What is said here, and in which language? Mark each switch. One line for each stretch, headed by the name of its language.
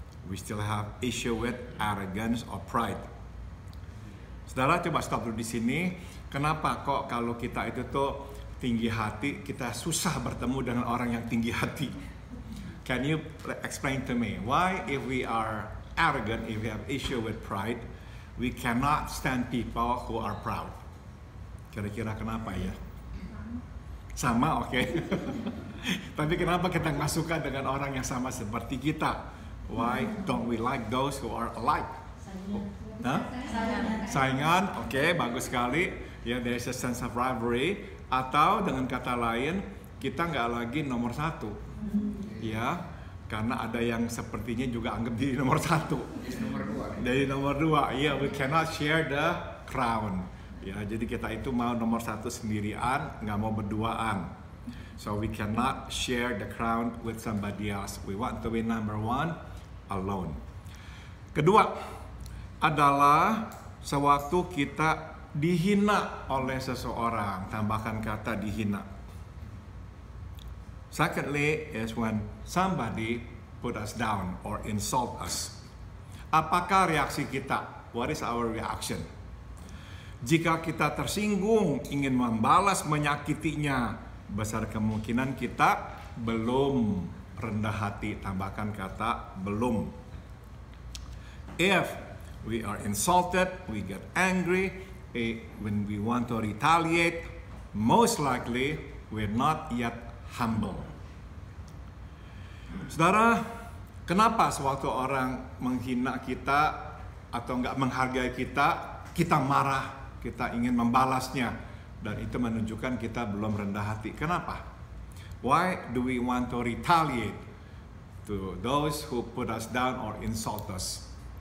English: We still have issue with arrogance or pride.
Indonesian: Saudara, coba stop dulu di sini. Kenapa kok kalau kita itu tuh tinggi hati, kita susah bertemu dengan orang yang tinggi hati?
English: Can you explain to me why if we are arrogant, if we have issue with pride, we cannot stand people who are proud?
Indonesian: Kira-kira kenapa ya? Sama, oke. Tapi kenapa kita gak suka dengan orang yang sama seperti kita?
English: Why don't we like those who are alike?
Indonesian: Saingan kuat. Saingan, oke, bagus sekali. Ya,
English: there is a sense of rivalry.
Indonesian: Atau dengan kata lain, kita nggak lagi nomor satu. Ya, karena ada yang sepertinya juga anggap diri nomor satu. Jadi nomor dua.
English: Ya, we cannot share the crown.
Indonesian: Ya, jadi kita itu mau nomor satu sendirian, nggak mau berduaan.
English: So we cannot share the crown with somebody else. We want to be number one alone.
Indonesian: Kedua adalah sewaktu kita dihina oleh seseorang. Tambahkan kata dihina.
English: Secondly is when somebody put us down or insult us.
Indonesian: Apakah reaksi kita?
English: What is our reaction?
Indonesian: Jika kita tersinggung, ingin membalas menyakitinya, besar kemungkinan kita belum rendah hati. Tambahkan kata belum.
English: If we are insulted, we get angry, when we want to retaliate, most likely we're not yet humble.
Indonesian: Saudara, kenapa sewaktu orang menghina kita atau enggak menghargai kita, kita marah, kita ingin membalasnya, dan itu menunjukkan kita belum rendah hati. Kenapa?
English: Why do we want to retaliate to those who put us down or insult us?